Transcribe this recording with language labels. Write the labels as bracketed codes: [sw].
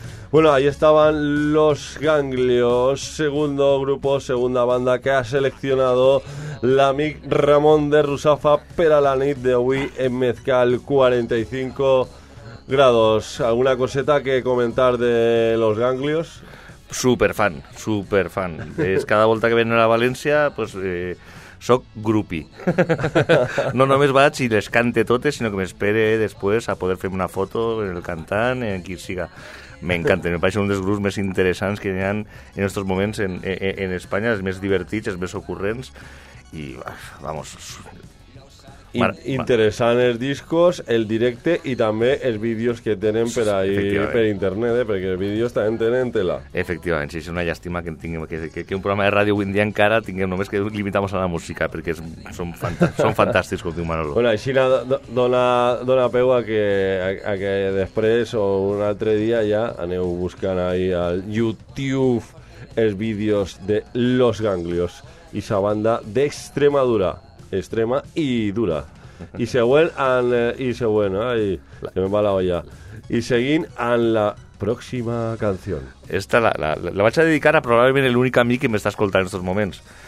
[es] Bueno, ahí estaban Los Ganglios, segundo grupo, segunda banda que ha seleccionado la Mic Ramón de Russafa, Peralanit de Wii en Mezcal 45 grados. ¿Alguna coseta que comentar de Los Ganglios? Súper fan, súper fan. Es cada vuelta que viene a Valencia, pues [ca] soc grupi. No només vaig i les cante totes, sinó que m'espere després a poder fer una foto en el cantant, en qui siga. M'encanta, [es] me parece [ca] un dels grups més interessants que hi ha en estos moments en Espanya, els més divertits, els més ocurrents. [es] Y vamos, interesantes los discos, el directe y también los vídeos que tienen por ahí por internet, porque los vídeos también tienen tela. Efectivamente, sí, es una lástima que tinguem, que un programa de radio hoy en día [ca] encara tinguem només [es] que limitamos a la música, porque son fantásticos, como diu Manolo. [ca] Bueno, així dona peu a que després o un altre dia ja aneu buscant ahí al YouTube els vídeos de Los Ganglios. [es] Y esa banda de Extremadura, extrema y dura. Y se vuelan, y se bueno, ay, se me va la olla. Y seguín a la próxima canción. Esta la vaig a dedicar a probablemente el único amigo que me está escoltando en estos momentos.